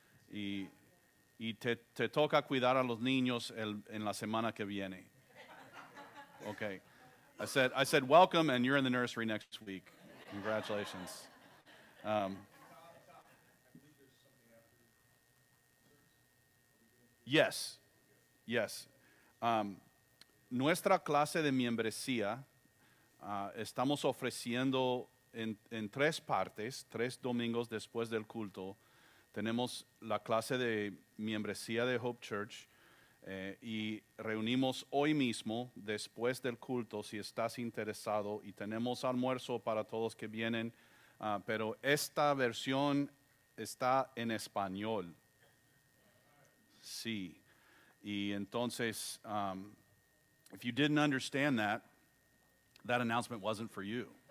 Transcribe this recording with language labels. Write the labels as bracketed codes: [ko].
[es] Y te toca cuidar a los niños en la semana que viene. [en] Okay. I said welcome, and you're in the nursery next week. Congratulations. Yes. Yes. [es] Nuestra clase de membresía, estamos ofreciendo en tres partes, tres domingos después del culto. Tenemos la clase de membresía de Hope Church y reunimos hoy mismo, después del culto, si estás interesado, y tenemos almuerzo para todos que vienen, pero esta versión está en español. Sí. Y entonces, [en] if you didn't understand that, that announcement wasn't for you.